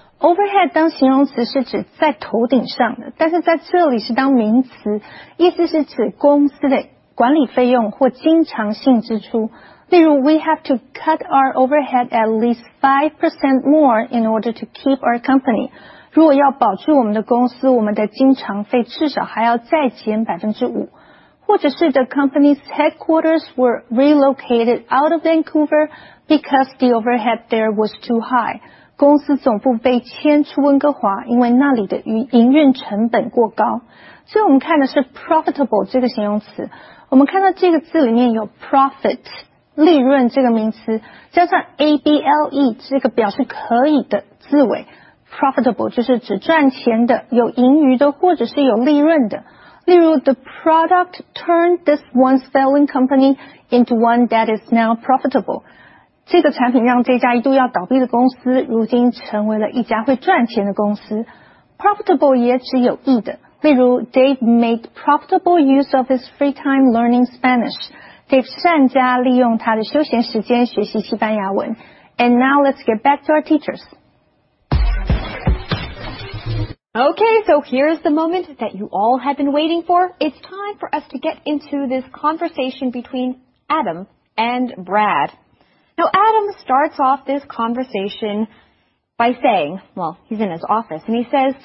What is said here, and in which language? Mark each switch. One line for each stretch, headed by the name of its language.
Chinese: overhead 当形容词是指在头顶上的，但是在这里是当名词，意思是指公司的管理费用或经常性支出。
English: 例如 ,we have to cut our overhead at least 5% more in order to keep our company.
Chinese: 如果要保住我们的公司，我们的经常费至少还要再减 5%。或者是
English: the company's headquarters were relocated out of Vancouver because the overhead there was too high.
Chinese: 公司总部被迁出温哥华，因为那里的营运成本过高。所以我们看的是 profitable 这个形容词。我们看到这个字里面有 profit, 利润这个名词，加上 able 这个表示可以的字尾。 profitable 就是指赚钱的，有盈余的，或者是有利润的。
English: 例如 the product turned this once failing company into one that is now profitable.
Chinese: 这个产品让这家一度要倒闭的公司如今成为了一家会赚钱的公司。
English: Profitable
Chinese: 也指有益的。例如
English: Dave made profitable use of his free time learning Spanish.
Chinese: Dave 善加利用他的休闲时间学习西班牙文。
English: And now let's get back to our teachers. Okay, so here's the moment that you all have been waiting for. It's time for us to get into this conversation between Adam and Brad. Now, Adam starts off this conversation by saying, well, he's in his office, and he says...